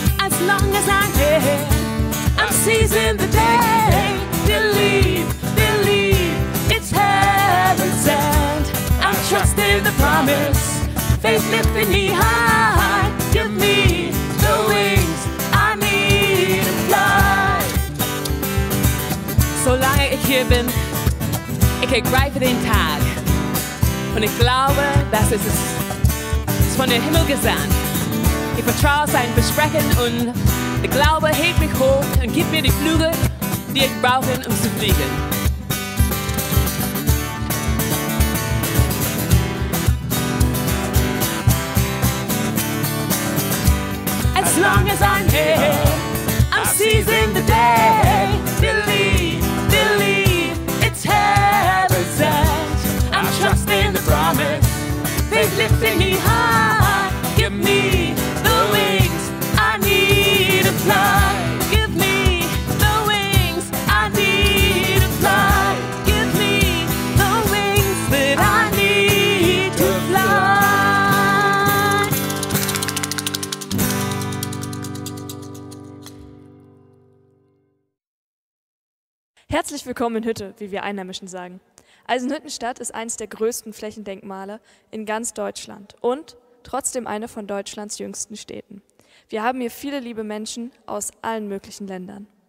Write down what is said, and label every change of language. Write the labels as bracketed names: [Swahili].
[English] As long as I'm here, seizing the day. Believe, believe, it's heaven sent. I'm trusting the promise, faith lifting me high. Give me the wings I need to fly. [German] So lange ich hier bin, ich ergreife den Tag. Und ich glaube, dass es ist von dem Himmel gesandt. Ich vertraue sein Versprechen und der Glaube hebt mich hoch und gibt mir die Flügel, die ich brauche, um zu fliegen. [English] As long as I'm here, I'm seizing the day. Believe, believe, it's heaven sent. I'm trusting the promise, they've lifted me high. Give me the wings I need to fly. Give me the wings I need to fly. Give me the wings that I need to fly. [German] Herzlich willkommen in Hütte, wie wir Einheimischen sagen. Eisenhüttenstadt ist eines der größten Flächendenkmale in ganz Deutschland und trotzdem eine von Deutschlands jüngsten Städten. Wir haben hier viele liebe Menschen aus allen möglichen Ländern.